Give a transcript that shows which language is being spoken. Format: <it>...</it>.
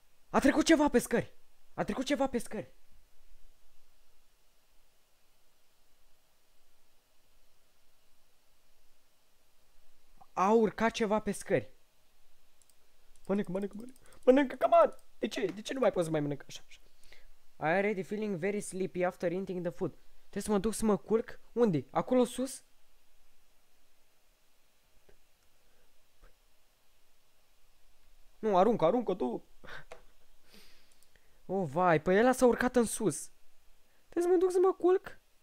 <ro>A trecut ceva pe scări. A trecut ceva pe scări. A urcat ceva pe scări. Mănâncă, mănâncă, mănâncă. Mănâncă,</ro> <en>come on!</en> <ro>De ce? De ce nu mai poți să mai mănâncă așa, așa?</ro> <en>I already feeling very sleepy after eating the food.</en> <ro>Trebuie să mă duc să mă culc? Unde? Acolo sus? Nu, aruncă, aruncă tu! Oh, vai, păi ăla s-a urcat în sus. Trebuie să mă duc să mă culc?</ro>